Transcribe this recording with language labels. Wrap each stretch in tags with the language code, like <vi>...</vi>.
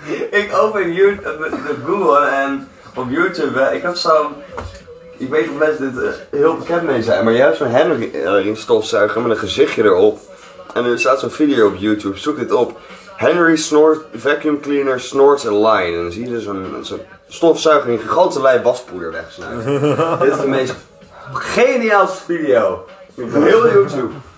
<nl>Ik open YouTube, de Google en op YouTube, ik heb zo'n... Ik weet niet of mensen dit heel bekend mee zijn, maar juist zo'n Henry stofzuiger met een gezichtje erop. En er staat zo'n video op YouTube, zoek dit op.</nl> <en>Henry snort, vacuum cleaner snorts a line.</en> <nl>En dan zie je zo'n stofzuiger in gigantische lijn waspoeder wegsnijden. Dit is de meest geniaalste video van heel YouTube.</nl>